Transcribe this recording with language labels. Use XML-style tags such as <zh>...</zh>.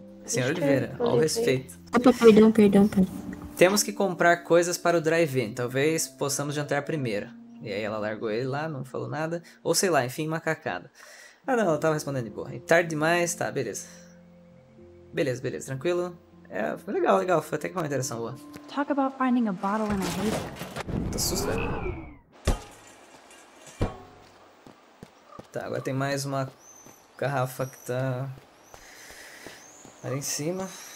<pt>Senhor Oliveira, ao respeito. Opa, perdão. Temos que comprar coisas para o drive-in. Talvez possamos jantar primeiro. E aí ela largou ele lá, não falou nada. Ou sei lá, enfim, macacada. Ah não, ela tava respondendo de boa. E tarde demais, tá, beleza. Beleza, beleza, tranquilo. É, foi legal, legal. Foi até que uma interação boa.</pt> <en>Talk about finding a bottle in a haystack.</en> <pt>Tá sucedendo. Tá, agora tem mais uma garrafa que tá ali em cima.</pt>